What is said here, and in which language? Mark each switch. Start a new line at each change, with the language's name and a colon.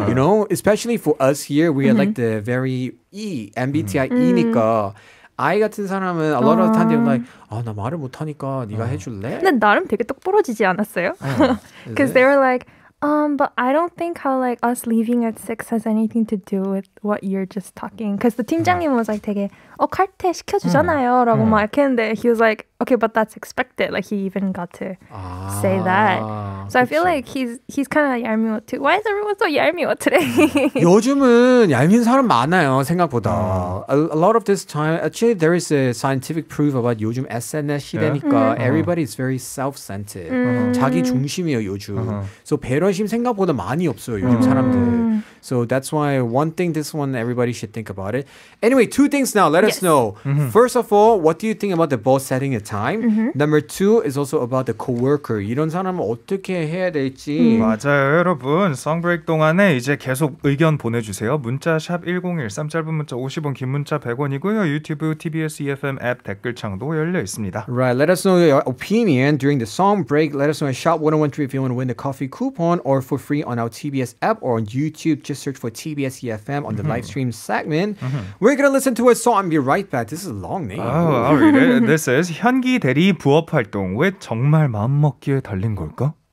English: You know, especially for us here, we are like the very E, MBTI
Korean: E니까. I 같은 사람은
English: a lot of times they're like,
Korean: 아, 나 말을 못하니까 네가 해줄래? 근데 나름 되게 똑부러지지 않았어요?
English: Because they were like, but I don't think how like us leaving at 6 has anything to do with what you're just talking. Because the 팀장님 was like
Korean: 되게 칼퇴 시켜주잖아요 라고 막 했는데
English: he was like, okay, but that's expected. Like he even got to say that. So
Korean: 그쵸.
English: I feel like he's kind of
Korean: 얄미워
English: too. Why is everyone so
Korean: 얄미워
English: today?
Korean: 요즘은 얄미운 사람 많아요 생각보다.
English: A lot of this time, actually there is a scientific proof about
Korean: 요즘 SNS 시대니까
English: yeah? Everybody is very self-centered.
Korean: 자기 중심이에요 요즘. So 배려심 생각보다 많이 없어요 요즘 사람들.
English: So that's why one thing, this one, everybody should think about it. Anyway, two things now. Let us know. First of all, what do you think about the boss setting a time? Number two is also about the coworker.
Korean: 이런 사람은 어떻게 해야 될지. 맞아요, 여러분. Song break 동안에 이제 계속 의견 보내주세요. 문자 샵 1013, 짧은 문자 50원, 긴 문자 100원이고요. 유튜브, TBS EFM 앱 댓글창도 열려 있습니다.
English: Right, let us know your opinion during the song break. Let us know at shop 1013 if you want to win the coffee coupon or for free on our TBS app or on YouTube. Just search for TBS EFM on the live stream segment. We're going to listen to a song and be right back. This is a long name. I'll read it. This is
Korean: 현기 대리 부업 활동 왜 정말 마음 먹기에 달린 걸까?